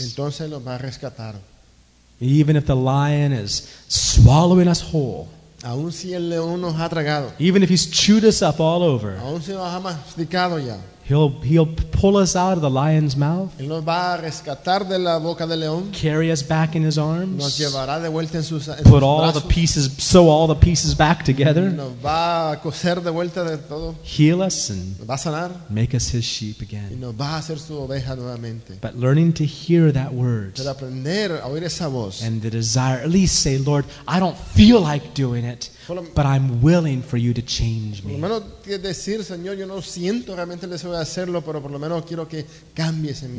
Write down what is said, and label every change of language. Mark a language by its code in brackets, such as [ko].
[es] Entonces nos va a rescatar. [en] Even if the lion is swallowing us whole. [es] Aun si el león nos ha tragado. [en] Even if he's chewed us up all over. [es] Aun si nos ha masticado ya. [en] He'll pull us out of the lion's mouth. [es] Él nos va a rescatar de la boca del león. [en] Carry us back in his arms. [es] Nos llevará de vuelta en sus brazos. [en] Put all the pieces, sew all the pieces back together. [es] Nos va a coser de vuelta de todo. [en] Heal us and [es] nos va a sanar. [en] Make us his sheep again. [es] Y nos va a hacer su oveja nuevamente. [en] But learning to hear that word. [es] Pero aprender a oír esa voz. [en] And the desire, at least say, Lord, I don't feel like doing it, but I'm willing for you to change me. [es] Por lo menos decir, Señor, yo no siento realmente el deseo de hacerlo, pero por lo menos quiero que cambies en mí.